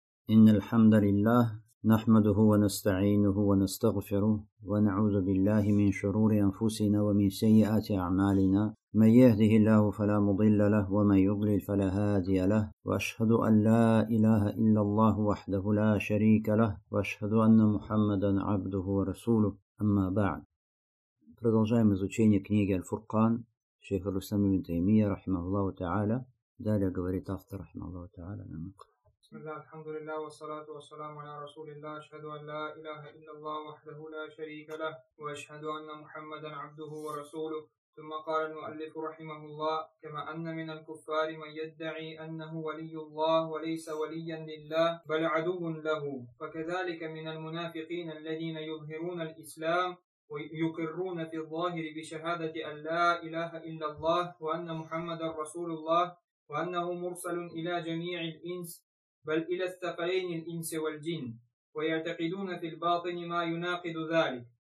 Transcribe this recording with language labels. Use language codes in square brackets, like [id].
[ar] إن الحمد لله نحمده ونستعينه ونستغفره ونعوذ بالله من شرور أنفسنا ومن سيئات أعمالنا من يهده الله فلا مضل له ومن يضلل فلا هادي له وأشهد أن لا إله إلا الله وحده لا شريك له وأشهد أن محمدا عبده ورسوله أما بعد. [ru] Продолжаем изучение книги Аль-Фуркан [ar] شيخ الإسلام بن تيمية رحمه الله تعالى. [ru] Далее говорит автор [ar] رحمه الله تعالى. بسم الله الحمد لله والصلاة والسلام على رسول الله أشهد أن لا إله إلا الله وحده لا شريك له وأشهد أن محمدا عبده ورسوله. ثم قال المؤلف رحمه الله: كما أن من الكفار من يدعي أنه ولي الله وليس وليا لله بل عدو له، فكذلك من المنافقين الذين يظهرون الإسلام ويقرون في الظاهر بشهادة أن لا إله إلا الله وأن محمدا رسول الله وأنه مرسل إلى جميع الإنس بل إلى الثقلين الإنس والجن، ويعتقدون في الباطن ما يناقض ذلك،